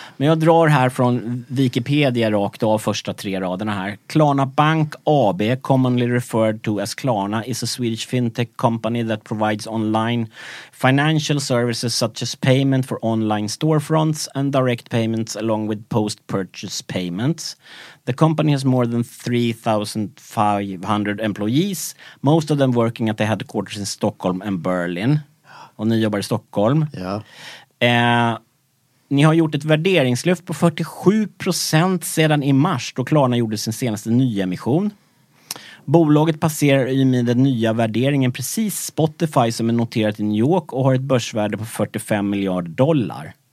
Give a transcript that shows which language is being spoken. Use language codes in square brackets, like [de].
[sv] Men jag drar här från Wikipedia rakt av första 3 raderna här. [en] Klarna Bank AB, commonly referred to as Klarna, is a Swedish fintech company that provides online financial services such as payment for online storefronts and direct payments along with post-purchase payments. The company has more than 3,500 employees, most of them working at the headquarters in Stockholm and Berlin. [sv] Och ni jobbar i Stockholm. Ja. Ni har gjort ett värderingslyft på 47% sedan i mars då Klarna gjorde sin senaste nyemission. Bolaget passerar i med den nya värderingen precis Spotify, som är noterat i New York och har ett börsvärde på $45 miljarder.